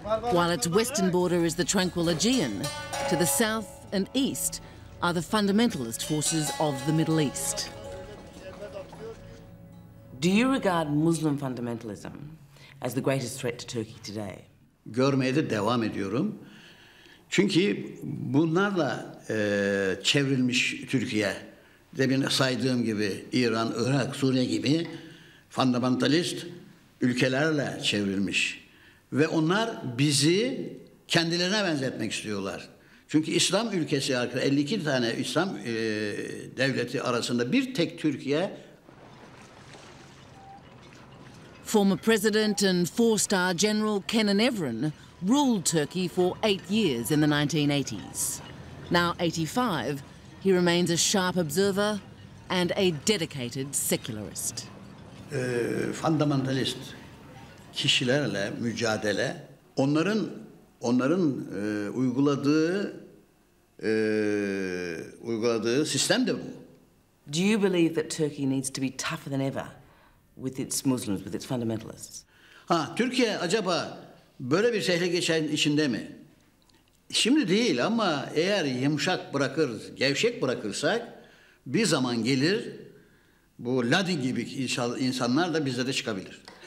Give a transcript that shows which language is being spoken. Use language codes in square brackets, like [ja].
[en] While its western border is the tranquil Aegean, to the south and east are the fundamentalist forces of the Middle East. Do you regard Muslim fundamentalism as the greatest threat to Turkey today? [tr] Görmeye de devam ediyorum. Çünkü bunlarla çevrilmiş Türkiye, demin saydığım gibi İran, Irak, Suriye gibi fundamentalist ülkelerle çevrilmiş. Ve onlar bizi kendilerine benzetmek istiyorlar. Çünkü İslam ülkesi, 52 tane İslam devleti arasında bir tek Türkiye. [en] Former President and 4-star General Kenan Evren ruled Turkey for 8 years in the 1980s. Now 85, he remains a sharp observer and a dedicated secularist. [tr] Fundamentalist kişilerle mücadele, onların uyguladığı sistem de bu. [en] Do you believe that Turkey needs to be tougher than ever with its Muslims, with its fundamentalists? [tr] Ha, Türkiye acaba böyle bir tehlikenin içinde mi? Şimdi değil ama eğer yumuşak bırakır, gevşek bırakırsak bir zaman gelir bu Ladin gibi insanlar da bizde de çıkabilir.